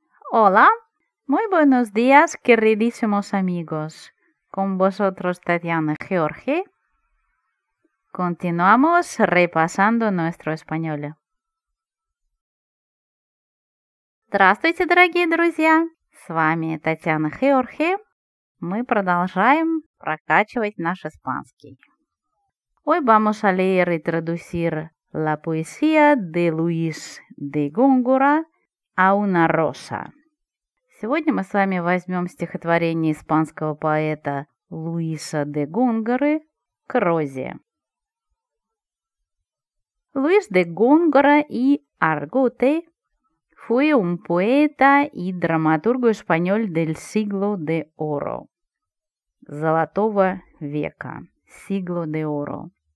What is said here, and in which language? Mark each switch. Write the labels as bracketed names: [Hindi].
[Spanish] Hola, muy buenos días, queridísimos amigos. Con vosotros, Tatiana Jorge. Continuamos repasando nuestro español. [Russian] Здравствуйте, дорогие друзья. С вами Татьяна Георги. Мы продолжаем прокачивать наш испанский. [Spanish] Hoy vamos a leer y traducir la poesía de Luis de Góngora «A una rosa». [Russian] Сегодня мы с вами возьмем стихотворение испанского поэта Луиса де Гонгоры «К розе». [Spanish] Луис де Гонгора и Аргуте fue un poeta y dramaturgo español del siglo de oro, [Russian] Золотого века, [Spanish] siglo de oro.